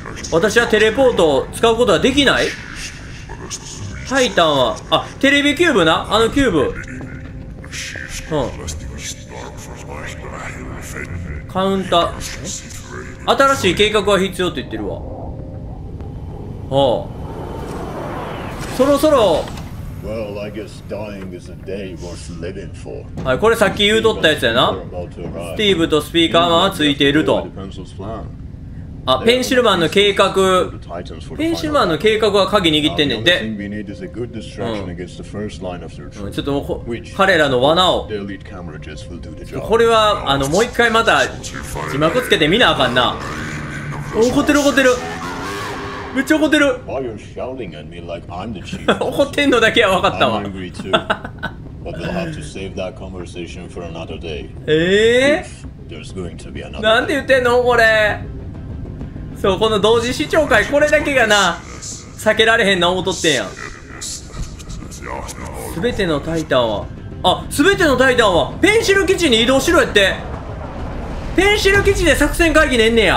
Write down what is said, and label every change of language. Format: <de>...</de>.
<ja>私はテレポートを使うことはできない？タイタンは、あ、テレビキューブな？あのキューブ。うん。カウンター。新しい計画は必要って言ってるわ。はあ。そろそろ。</ja> <en>Well, I guess dying is a day worth living for.</en> <ja>はい、これさっき言うとったやつやな。スティーブとスピーカーマンはついていると。あ、ペンシルマンの計画。ペンシルマンの計画は鍵握ってんねんで。うん、ちょっともう彼らの罠を。これは、あの、もう一回また、字幕つけてみなあかんな。怒ってる。めっちゃ怒ってる。怒ってんのだけは分かったわ。</ja> <en>But we'll have to save that conversation for another day. There's going to be another day.</en> <ja>なんて言ってんのこれ。そう、この同時視聴会、これだけがな、避けられへんな思っとってんやん。すべてのタイタンは、あ、すべてのタイタンは、ペンシル基地に移動しろやって。ペンシル基地で作戦会議ねんねや。</ja>